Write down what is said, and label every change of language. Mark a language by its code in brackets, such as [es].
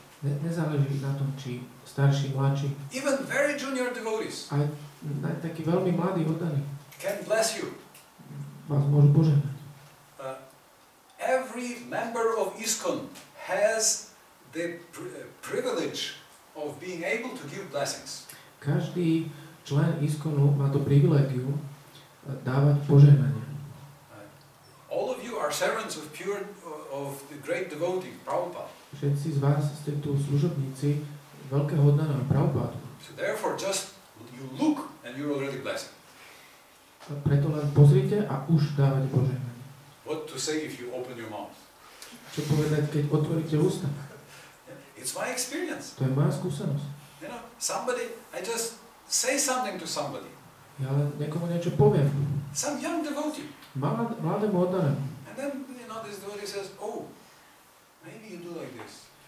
[sk] Nezáleží na tom, či starší, mladší. [en] Even very junior devotees. [sk] Aj taký veľmi mladý oddaný. [en] Can bless you. [sk] Vás môžu požehnať. [en] Every member of ISKCON has the privilege of being able to give blessings. [sk] Každý člen ISKCONu má to privilégium dávať požehnanie. [en] All of you are servants of pure of the great devotee Prabhupada. [sk] Všetci z vás ste tu služobníci veľkého oddaného Prabhupádu. [en] So therefore just you look and you're already blessed. [sk] A preto len pozrite a už dávate požehnanie. [en] What to say if you open your mouth? [sk] Čo povedať, keď otvoríte ústa? [en] It's my experience. [sk] To je moja skúsenosť. [en] You know, somebody, I just say something to somebody. [sk] Ja len niekomu niečo poviem. [en] Some young devotee. [sk] Mladému oddanému. [en] And then, you know, this devotee says, oh, maybe you do like this.